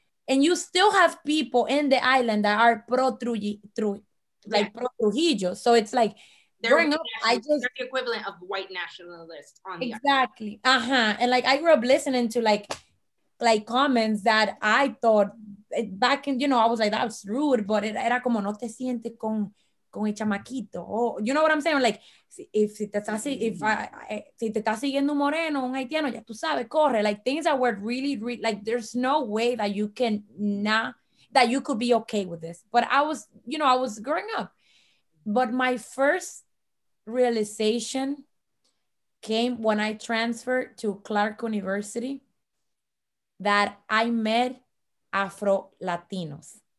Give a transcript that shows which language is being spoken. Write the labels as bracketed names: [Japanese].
[English] And you still have people in the island that are pro-Trujillo. Like, pro-Trujillo. So it's like, growing up, I just, they're the equivalent of white nationalists on the exactly. Earth. Uh-huh. And like I grew up listening to like comments that I thought back in, you know, I was like, that's rude, but it [Spanish] era como no te sientes con el chamaquito. [English] Oh, you know what I'm saying? Like if [Spanish] te está siguiendo un moreno, un haitiano, ya tú sabes, corre. [English] Like things that were really, really like there's no way that you can not that you could be okay with this. But I was, you know, I was growing up. But my first realization came when I transferred to Clark University that I met Afro Latinos.